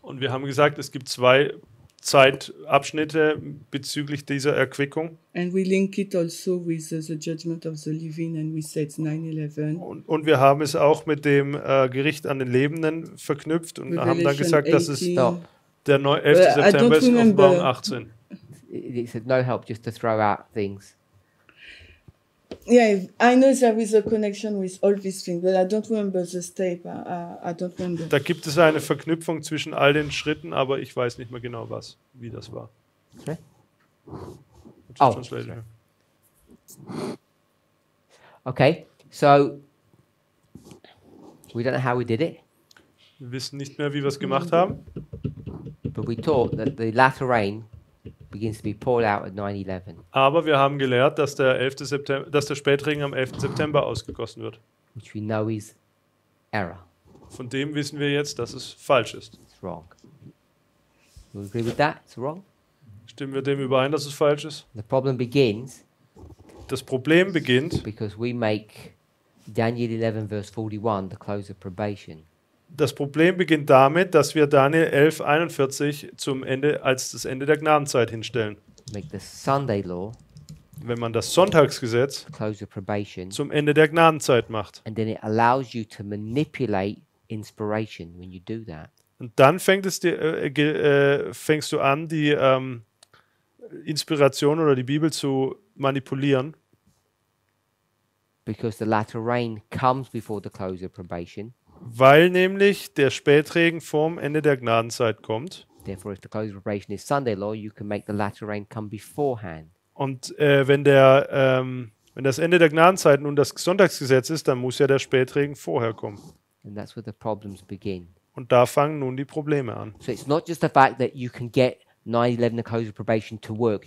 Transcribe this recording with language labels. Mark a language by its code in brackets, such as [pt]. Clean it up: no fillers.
[de] Und wir haben gesagt, es gibt zwei Zeitabschnitte bezüglich dieser Erquickung. [en] And we link it also with the judgment of the living, and we say it's 9/11. [de] Und wir haben es auch mit dem Gericht an den Lebenden verknüpft und Revelation haben dann gesagt, dass es der 11. September ist, Offenbarung 18. [en] It's no help just to throw out things. Yeah, I know there is a connection with all these things, but I don't remember the step. I don't remember. [de] Da gibt es eine Verknüpfung zwischen all den Schritten, aber ich weiß nicht mehr genau, was, wie das war. [en] Okay. Oh. Okay, so we don't know how we did it. [de] Wir wissen nicht mehr, wie wir es gemacht haben. [en] But we taught that the latter rain begins to be poured out at 9/11. [de] Aber wir haben gelehrt, dass der 11. September, dass der Spätregen am 11. September ausgegossen wird. [en] Which we know is error. [de] Von dem wissen wir jetzt, dass es falsch ist. [en] It's wrong. You agree with that? It's wrong. [de] Stimmen wir dem überein, dass es falsch ist? [en] The problem begins. [de] Das Problem beginnt. [en] Because we make Daniel 11 verse 41 the close of probation. [de] Das Problem beginnt damit, dass wir Daniel 11, 41 zum Ende, als das Ende der Gnadenzeit hinstellen. [en] Make the Sunday law, [de] wenn man das Sonntagsgesetz zum Ende der Gnadenzeit macht. [en] And then it allows you to manipulate inspiration when you do that. [de] Und dann fängst du an, die Inspiration oder die Bibel zu manipulieren. [en] Because the latter rain comes before the close of probation. [de] Weil nämlich der Spätregen vorm Ende der Gnadenzeit kommt. [en] Therefore, if the close of probation is Sunday law, you can make the latter rain come beforehand. [de] Und wenn das Ende der Gnadenzeit nun das Sonntagsgesetz ist, dann muss ja der Spätregen vorher kommen. [en] And that's where the problems begin. [de] Und da fangen nun die Probleme an. [en] So it's not just the fact that you can get 9/11 the close of probation to work.